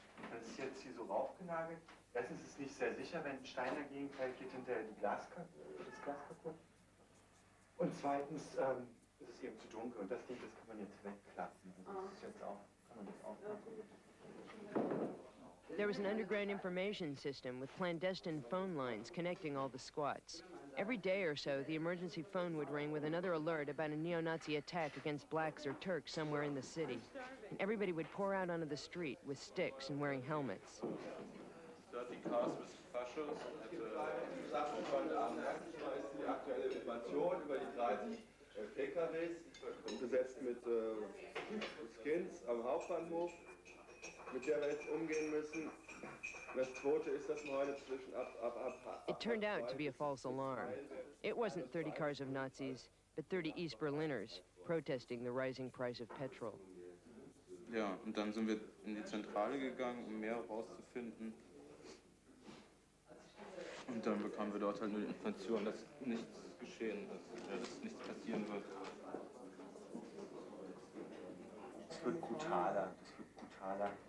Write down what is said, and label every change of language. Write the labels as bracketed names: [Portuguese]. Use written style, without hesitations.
[German] Das ist jetzt hier so raufgenagelt. Erstens ist es nicht sehr sicher, wenn ein Stein dagegen fällt, geht hinterher das Glas kaputt. Und zweitens ist es eben zu dunkel und das Ding, das kann man jetzt wegklappen. Das ist jetzt auch, kann man das auch machen. [English] There was an underground information system with clandestine phone lines connecting all the squats. Every day or so, the emergency phone would ring with another alert about a neo-Nazi attack against blacks or Turks somewhere in the city. And everybody would pour out onto the street with sticks and wearing helmets. Dirty cars with fascists. [German] Die Sachen von Abend die aktuelle Information über die 30 PKWs. Besetzt mit Skins am Hauptbahnhof. Mit der wir jetzt umgehen müssen. Das Quote ist, dass wir heute zwischen [English] It turned out to be a false alarm. It wasn't 30 cars of Nazis, but 30 East Berliners protesting the rising price of petrol. [German] Ja, und dann sind wir in die Zentrale gegangen, um mehr herauszufinden. Und dann bekamen wir dort halt nur die Information, dass nichts geschehen ist, dass nichts passieren wird. Es wird brutaler, es wird brutaler.